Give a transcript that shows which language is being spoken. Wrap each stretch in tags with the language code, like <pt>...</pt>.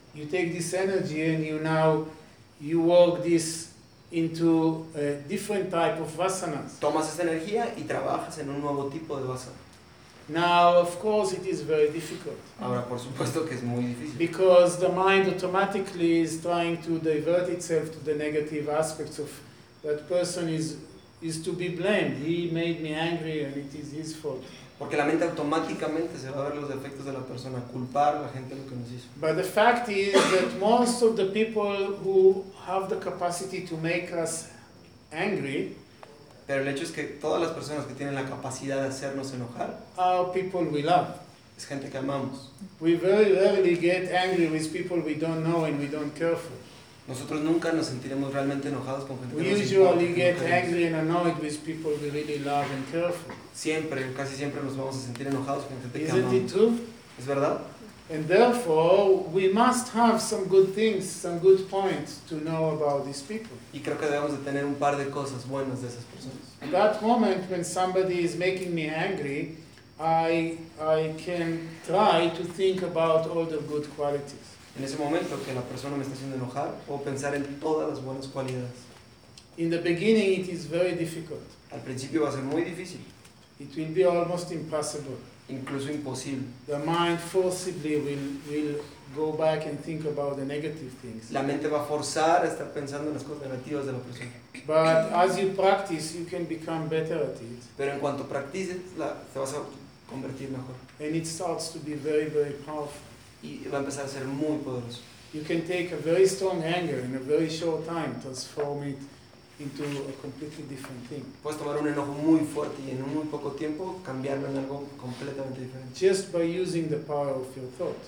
<en>You take this energy and you work this into a different type of vasanas.</en> <es>Tomas esta energía y trabajas en un nuevo tipo de vasana.</es> <en>Now, of course, it is very difficult.</en> <es>Ahora, por supuesto que es muy difícil.</es> <en>Because the mind automatically is trying to divert itself to the negative aspects of that person is to be blamed. He made me angry and it is his fault.</en> <es>Porque la mente automáticamente se va a ver los defectos de la persona, culpar a la gente lo que nos hizo.</es> <en>But the fact is that most of the people who have the capacity to make us angry,</en> <es>pero el hecho es que todas las personas que tienen la capacidad de hacernos enojar,</es> <en>are people we love.</en> <es>Es gente que amamos.</es> <en>We very rarely get angry with people we don't know and we don't care for.</en> <es>Nosotros nunca nos sentiremos realmente enojados con gente que nos importa.</es> <en>We usually get angry and annoyed with people we really love and care for.</en> <es>Siempre, casi siempre nos vamos a sentir enojados con gente que amamos.</es> <en>Isn't it true?</en> <es>¿Es verdad?</es> <en>And therefore, we must have some good things, some good points to know about these people.</en> <es>Y creo que debemos de tener un par de cosas buenas de esas personas.</es> <en>At that moment when somebody is making me angry, I can try to think about all the good qualities.</en> <es>En ese momento que la persona me está haciendo enojar, puedo pensar en todas las buenas cualidades.</es> <en>In the beginning it is very difficult.</en> <es>Al principio va a ser muy difícil.</es> <en>It will be almost impossible.</en> <es>Incluso imposible.</es> <en>The mind forcibly will go back and think about the negative things.</en> <es>La mente va a forzar a estar pensando en las cosas negativas de la persona.</es> <en>But as you practice, you can become better at it.</en> <es>Pero en cuanto practices, te vas a convertir mejor.</es> <en>And it starts to be very, very powerful.</en> <es>Y va a empezar a ser muy poderoso.</es> <en>You can take a very strong anger in a very short time, transform it into a completely different thing.</en> <es>Puedes tomar un enojo muy fuerte y en muy poco tiempo cambiarlo en algo completamente diferente.</es> <en>Just by using the power of your thought.</en>